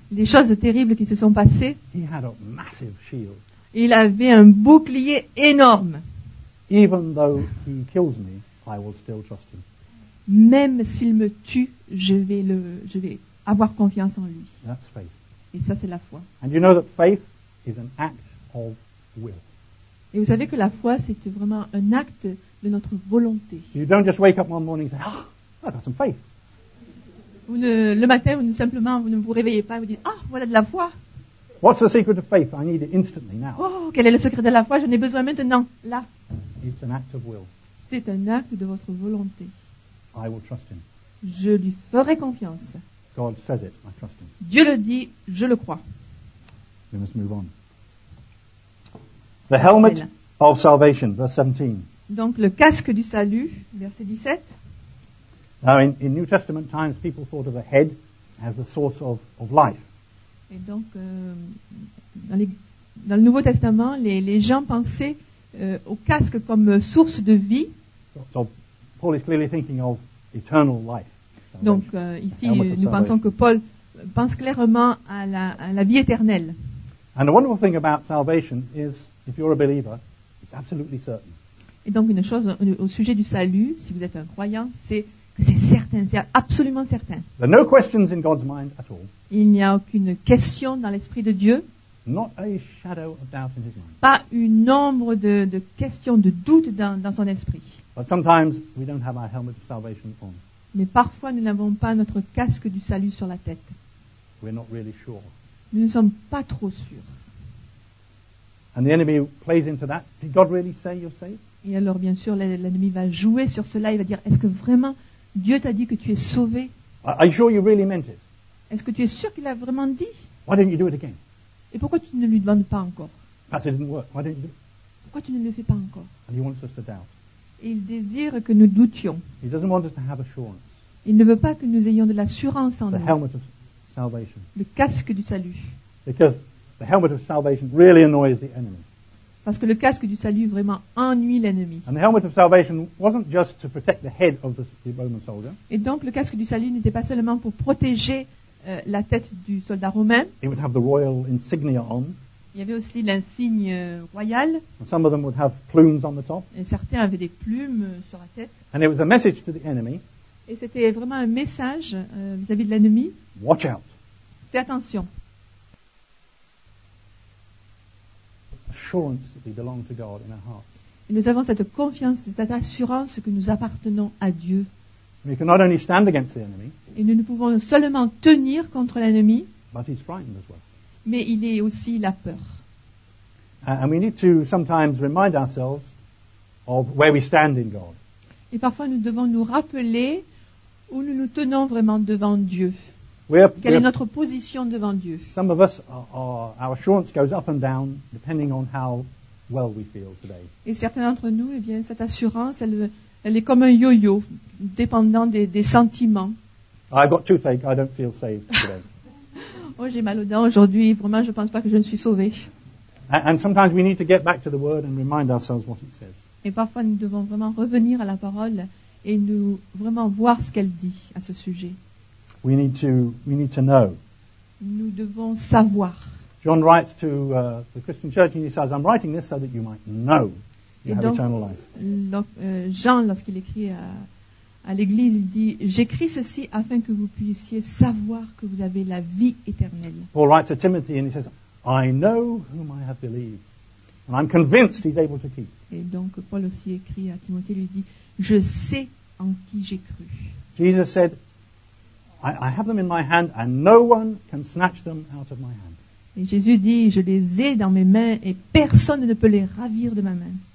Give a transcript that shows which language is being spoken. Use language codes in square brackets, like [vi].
[fr] Les choses terribles qui se sont passées. [en] He had a massive shield. [fr] Il avait un bouclier énorme. [en] Even though he kills me, I will still trust him. [fr] Même s'il me tue, je vais avoir confiance en lui. [en] That's faith. [fr] Et ça, c'est la foi. [en] And you know that faith is an act of will. [fr] Et vous savez que la foi, c'est vraiment un acte de notre volonté. [en] You don't just wake up one morning and say, "Ah, oh, I've got some faith." [fr] Le matin, vous ne vous réveillez pas et vous dites, "Ah, oh, voilà de la foi." [en] What's the secret of faith? I need it instantly now. [fr] Oh, quel est le secret de la foi? J'en ai besoin maintenant, là. [en] It's an act of will. [fr] C'est un acte de votre volonté. [en] I will trust him. [fr] Je lui ferai confiance. [en] God says it, I trust him. [fr] Dieu le dit, je le crois. [en] We must move on. The helmet of salvation, verse 17. [fr] Donc le casque du salut, verset 17. [en] Now in New Testament times, people thought of the head as the source of life. [fr] Et donc, dans le Nouveau Testament, les gens pensaient au casque comme source de vie. [en] So Paul is clearly thinking of eternal life. [fr] Donc, ici, nous pensons que Paul pense clairement à la vie éternelle. [en] And the wonderful thing about salvation is, if you're a believer, it's absolutely certain. [fr] Et donc une chose au sujet du salut, si vous êtes un croyant, c'est que c'est certain, c'est absolument certain. [en] There are no questions in God's mind at all. [fr] Il n'y a aucune question dans l'esprit de Dieu. [en] Not a shadow of doubt in his mind. [fr] Pas une ombre de questions, de doutes dans son esprit. [en] But sometimes we don't have our helmet of salvation on. [fr] Mais parfois nous n'avons pas notre casque du salut sur la tête. [en] We're not really sure. [fr] Nous ne sommes pas trop sûrs. [en] And the enemy plays into that. Did God really say you're saved? [fr] Et alors bien sûr l'ennemi va jouer sur cela, il va dire est-ce que vraiment Dieu t'a dit que tu es sauvé? [en] Are you sure you really meant it? [fr] Est-ce que tu es sûr qu'il a vraiment dit? [en] Why didn't you do it again? [fr] Et pourquoi tu ne lui demandes pas encore? [en] Because it didn't work. Why didn't you do it? [fr] Pourquoi tu ne le fais pas encore? [en] And he wants us to doubt. [fr] Et il désire que nous doutions. [en] He doesn't want us to have assurance. [fr] Il ne veut pas que nous ayons de l'assurance en [en] the [fr] nous. [en] Helmet of salvation. [fr] Le casque du salut. [en] Because the helmet of salvation really annoys the enemy. [fr] Parce que le casque du salut vraiment ennuie l'ennemi. [en] And the helmet of salvation wasn't just to protect the head of the Roman soldier. [fr] Et donc le casque du salut n'était pas seulement pour protéger la tête du soldat romain. [en] It would have the royal insignia on. [fr] Il y avait aussi l'insigne royal. [en] And some of them would have plumes on the top. [fr] Et certains avaient des plumes sur la tête. [en] And it was a message to the enemy. [fr] Et c'était vraiment un message vis-à-vis de l'ennemi. [en] Watch out. [fr] Fais attention. [en] Assurance that we belong to God in our hearts. [fr] Et nous avons cette confiance, cette assurance que nous appartenons à Dieu. [en] We can not only stand against the enemy, [fr] et nous ne pouvons seulement tenir contre l'ennemi, [en] but he's frightened as well. [fr] Mais il est aussi la peur. [en] And we need to sometimes remind ourselves of where we stand in God. [fr] Et parfois nous devons nous rappeler où nous nous tenons vraiment devant Dieu. Quelle est notre position devant Dieu? [en] Some of us our assurance goes up and down depending on how well we feel today. [fr] Et certains d'entre nous, eh bien, cette assurance, elle est comme un yo-yo, dépendant des sentiments. [en] I've got toothache. I don't feel saved today. [fr] Oh, j'ai mal aux dents aujourd'hui. Vraiment, je ne pense pas que je ne suis sauvé. [en] And sometimes we need to get back to the Word and remind ourselves what it says. [fr] Et parfois, nous devons vraiment revenir à la parole et nous vraiment voir ce qu'elle dit à ce sujet. [en] We need to know. [fr] Nous devons savoir. [en] John writes to the Christian church and he says, I'm writing this so that you might know you [fr] et [en] have [fr] donc, [en] eternal life. [fr] Jean, lorsqu'il écrit à l'église, il dit, j'écris ceci afin que vous puissiez savoir que vous avez la vie éternelle. [en] Paul writes to Timothy and he says, I know whom I have believed. And I'm convinced he's able to keep. [fr] Et donc Paul aussi écrit à Timothée, lui dit, je sais en qui j'ai cru. [en] Jesus said, I have them in my hand and no one can snatch them out of my hand. [fr] Et Jésus dit, je les ai dans mes mains et personne ne peut les ravir de ma main.